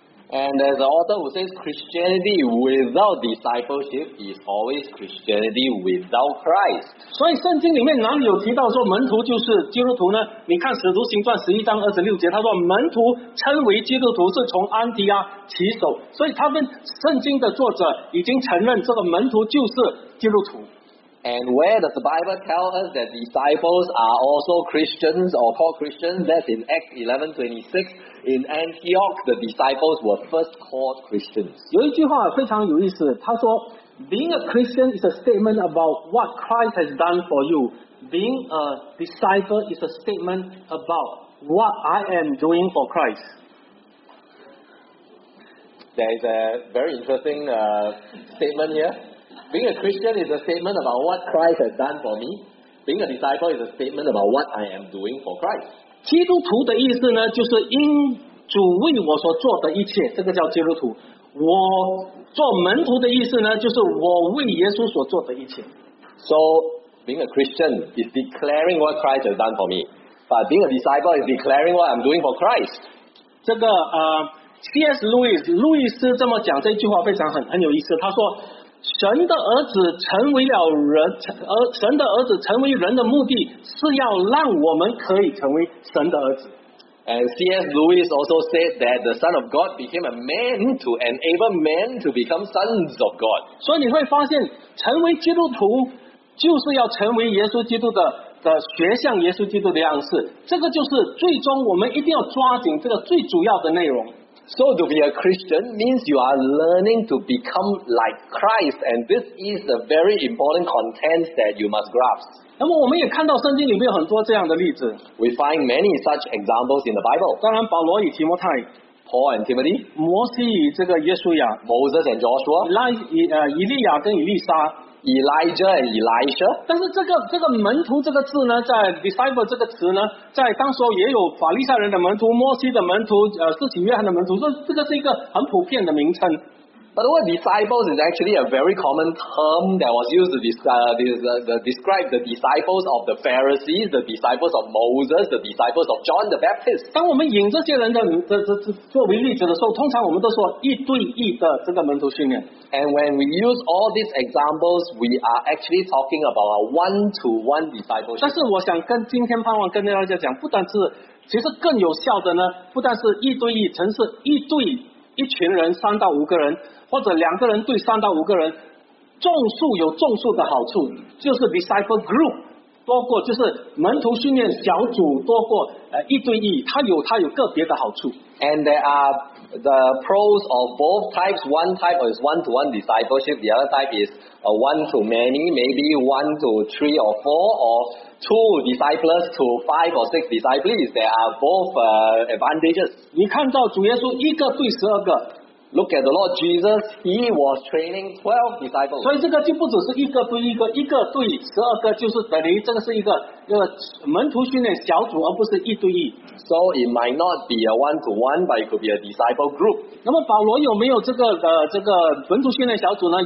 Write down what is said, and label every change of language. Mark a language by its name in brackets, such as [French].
[English] And there's an author who says Christianity without discipleship is always Christianity without Christ. [Chinese] 所以圣经里面哪里有提到说门徒就是基督徒呢？你看使徒行传11章26节，他说门徒称为基督徒是从安提阿起手，所以他们圣经的作者已经承认这个门徒就是基督徒。 [English] And where does the Bible tell us that disciples are also Christians or called Christians? That's in Acts 11:26. In Antioch, the disciples were first called Christians. [Chinese] 有一句话非常有意思，他说 [English] ，Being a Christian is a statement about what Christ has done for you. Being a disciple is a statement about what I am doing for Christ. There is a very interesting statement here. Being a Christian is a statement about what Christ has done for me. Being a disciple is a statement about what I am doing for Christ. [Chinese] 基督徒的意思呢，就是因主为我所做的一切，这个叫基督徒。我做门徒的意思呢，就是我为耶稣所做的一切。 [English] So, being a Christian is declaring what Christ has done for me. But being a disciple is declaring what I'm doing for Christ. [Chinese] 这个C.S. Lewis, 路易斯这么讲这句话非常很有意思，他说神的儿子成为了人，神的儿子成为人的目的是要让我们可以成为神的儿子。 [English] And C.S. Lewis also said that the Son of God became a man to enable men to become sons of God. [Chinese] 所以你会发现，成为基督徒就是要成为耶稣基督的学像耶稣基督的样式。这个就是最终我们一定要抓紧这个最主要的内容。 [English] So to be a Christian means you are learning to become like Christ, and this is a very important content that you must grasp. [Chinese] 那么我们也看到圣经里面有很多这样的例子。 [English] We find many such examples in the Bible. [Chinese] 当然，保罗与提摩太 [English] ，Paul and Timothy， [Chinese] 摩西与这个约书亚 [English] ，Moses and Joshua， [Chinese] 以利亚跟以利沙 [English] ，Elijah and Elisha。 [Chinese] 但是这个门徒这个字呢，在 disciple 这个词呢，在当时也有法利赛人的门徒、摩西的门徒、施洗约翰的门徒，这个是一个很普遍的名称。 [English] But the word disciples is actually a very common term that was used to describe the disciples of the Pharisees, the disciples of Moses, the disciples of John the Baptist. [Chinese] 当我们引这些人作为例子的时候，通常我们都说一对一的这个门徒训练。 [English] And when we use all these examples, we are actually talking about a one-to-one discipleship. [Chinese] 但是我想跟今天盼望跟大家讲，不但是其实更有效的呢，不但是一对一，曾是一对一群人三到五个人，或者两个人对三到五个人，众数有众数的好处，就是 disciple group 多过，就是门徒训练小组多过一对一，它有个别的好处。 [English] And there are the pros of both types. One type is one-to-one discipleship. The other type is a one-to-many, maybe one to three or four, or two disciples to five or six disciples. There are both advantages. [Chinese] 你看到主耶稣一个对十二个。 [English] Look at the Lord Jesus, he was training 12 disciples. [Chinese] 所以这个就不只是一个对一个，一个对十二个，就是等于这个是一个门徒训练小组，而不是一对一。 [English] So it might not be a one-to-one, but it could be a disciple group. [Chinese] 那么保罗有没有这个门徒训练小组呢？